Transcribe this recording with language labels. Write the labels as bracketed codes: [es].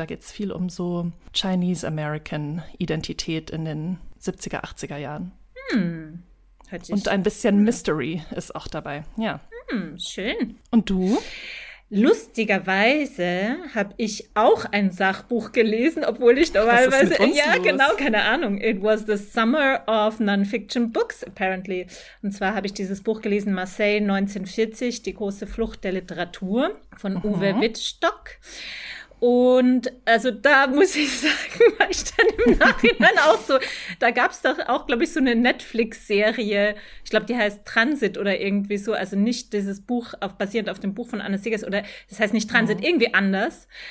[de] Da geht es viel um so Chinese-American-Identität in den 70er, 80er Jahren. Und ein bisschen Mystery ist auch dabei, ja. Schön. Und du? Lustigerweise habe ich auch ein Sachbuch gelesen, obwohl ich normalerweise… Was ist mit uns ja, los? Genau, keine Ahnung. [en] It was the summer of non-fiction books, apparently. [de] Und zwar habe ich dieses Buch gelesen, Marseille 1940, die große Flucht der Literatur von Uwe Wittstock. Und also da muss ich sagen, war ich dann im Nachhinein auch so, da gab es doch auch, glaube ich, so eine Netflix-Serie, ich glaube, die heißt Transit oder irgendwie so, also nicht dieses Buch basierend auf dem Buch von Anne Seghers oder das heißt nicht Transit, irgendwie anders.